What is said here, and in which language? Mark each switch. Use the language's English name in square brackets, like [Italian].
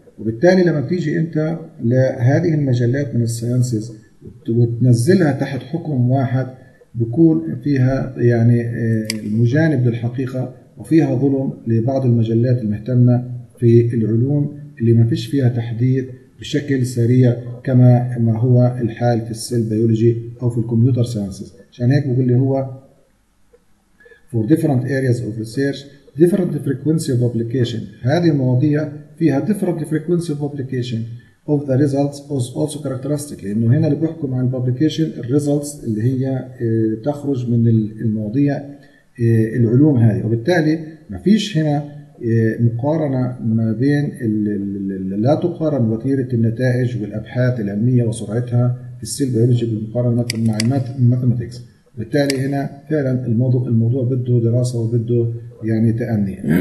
[Arabic] وبالتالي لما تيجي انت لهذه المجلات من الساينسز وتنزلها تحت حكم واحد بيكون فيها يعني مجانب للحقيقه وفيها ظلم لبعض المجلات المهتمه في العلوم اللي ما فيش فيها تحديث بشكل سريع كما ما هو الحال في السيل بيولوجي او في الكمبيوتر ساينسز. عشان هيك بقول لي هو [English] for different areas of research different frequency of publication، [Arabic] هذه المواضيع فيها [English] different frequency of publication of the results was also characteristic، [Arabic] لانه هنا اللي بحكم عن [English] publication results [Arabic] اللي هي تخرج من المواضيع العلوم هذه. وبالتالي ما فيش هنا مقارنة ما بين لا تقارن وتيرة النتائج والأبحاث العلمية وسرعتها في السيل بيولوجي بالمقارنة مع الماثيماتكس. بالتالي هنا فعلا الموضوع بده دراسة وبده يعني تأني.